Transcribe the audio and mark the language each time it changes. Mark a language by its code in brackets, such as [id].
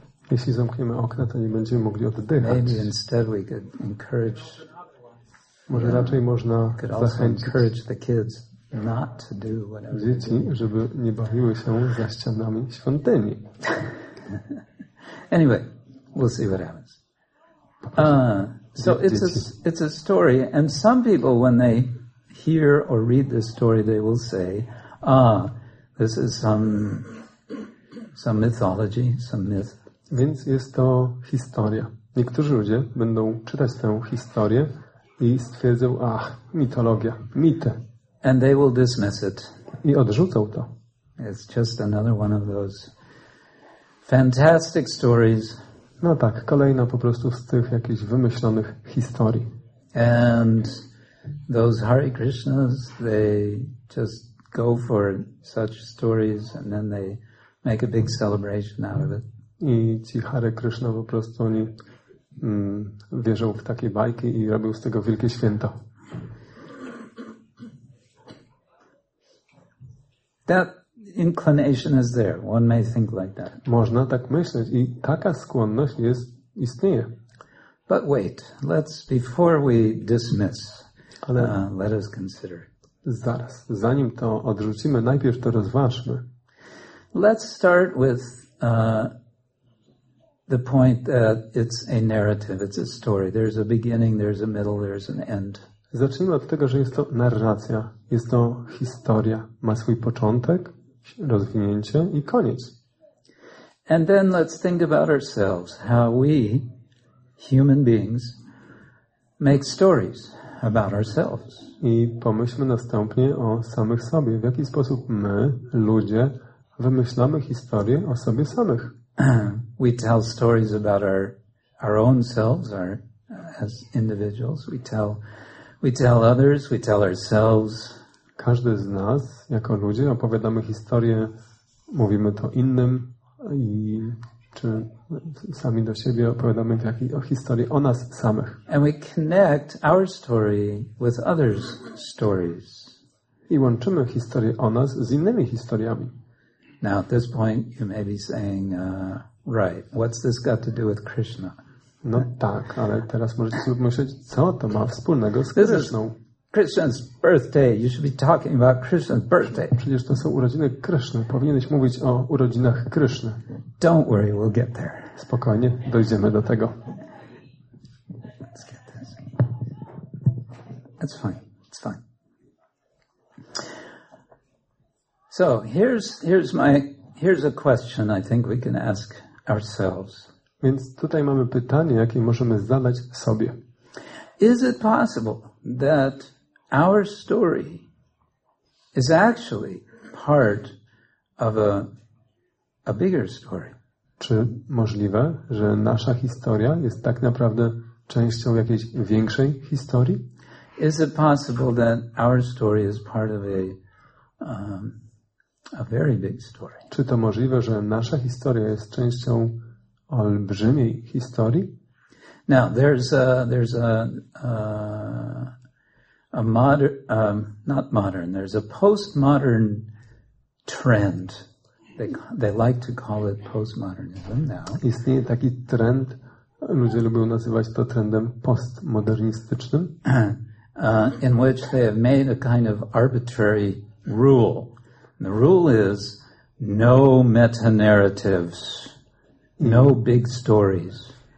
[pl] Jeśli zamkniemy okna, to nie będziemy mogli oddychać. [en] Maybe instead we could encourage. [pl] Może raczej można zachęcić. [en] Encourage the kids not to do whatever. [pl] Dzieci, żeby nie bawiły się za ścianami świątyni. [en] Anyway, we'll see what happens. So it's a story, and some people, when they hear or read this story, they will say, "Ah, this is some mythology, some myth." [pl] Więc jest to historia. Niektórzy ludzie będą czytać tę historię i stwierdzą, "Ah, mitologia, mity." [en] And they will dismiss it. [pl] I odrzucą to. [en] It's just another one of those fantastic stories. [pl] No tak, kolejna po prostu z tych jakichś wymyślonych historii. [en] And those Hare Krishnas, they just go for such stories and then they make a big celebration out of it. [pl] I ci Hare Krishna po prostu oni wierzą w takie bajki i robią z tego wielkie święto. [en] That inclination is there. One may think like that. [pl] Można tak myśleć i taka skłonność jest istnieje. [en] But wait, let's before we dismiss. Let us consider. [pl] Zaraz, zanim to odrzucimy, najpierw to rozważmy. [en] Let's start with the point that it's a narrative, it's a story. There's a beginning, there's a middle, there's an end. [pl] Zacznijmy od tego, że jest to narracja, jest to historia, ma swój początek, rozwinięcie i koniec. [en] And then let's think about ourselves, how we human beings make stories about ourselves. [pl] I pomyślmy następnie o samych sobie, w jaki sposób my ludzie wymyślamy historie o sobie samych. [en] We tell stories about our own selves, our as individuals. We tell We tell others, we tell ourselves. [pl] Każdy z nas, jako ludzie, opowiadamy historię, mówimy to innym i czy sami do siebie opowiadamy o historii o nas samych. [en] And we connect our story with others' stories. [pl] I łączymy historię o nas z innymi historiami. [en] Now at this point you may be saying, right, what's this got to do with Krishna? [pl] No tak, ale teraz możecie sobie myśleć, co to ma wspólnego z Krishną. [en] Krishna's birthday. You should be talking about Krishna's birthday. [pl] Przecież to są urodziny Kryszny. Powinieneś mówić o urodzinach Kryszny. [en] Don't worry, we'll get there. [pl] Spokojnie, dojdziemy do tego. [en] Let's get this. That's fine. It's fine. So here's a question I think we can ask ourselves. [pl] Więc tutaj mamy pytanie, jakie możemy zadać sobie. [en] Is it possible that our story is actually part of a bigger story? [pl] Czy możliwe, że nasza historia jest tak naprawdę częścią jakiejś większej historii? [en] Is it possible that our story is part of a very big story? [pl] Czy to możliwe, że nasza historia jest częścią olbrzymiej historii? [en] Now there's a postmodern trend. They like to call it postmodernism now. [pl] Istnieje taki trend, ludzie lubią nazywać to trendem postmodernistycznym, [en] in which they have made a kind of arbitrary rule. And the rule is no meta narratives, no big stories.